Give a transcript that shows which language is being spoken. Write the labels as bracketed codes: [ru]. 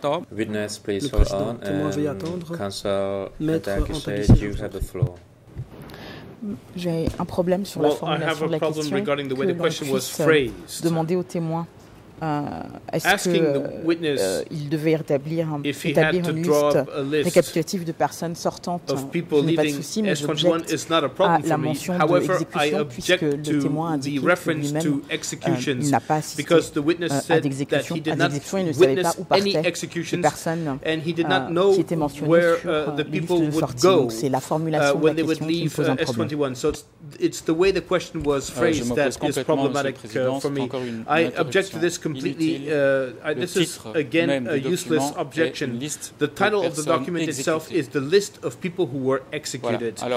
[en] Witness, please hold on, and counsel, you have the floor. [fr] J'ai un problème sur la formulation de la question [en] the [fr] que l'on puisse demander au témoin est-ce qu'il devait établir une liste récapitulative de personnes sortantes. [en] Of people [fr] je n'ai pas de souci, mais j'objecte à la mention de l'exécution puisque le témoin indique que lui-même n'a pas assisté à d'exécution. Il ne savait pas où partaient les personnes qui étaient mentionnées sur les listes de sortie. Donc c'est la formulation de la question qui me pose un problème. [en] So it's the way the question was phrased that is problematic for me. I object to this completely. This is, again, a useless objection. The title of the document itself is the list of people who were executed.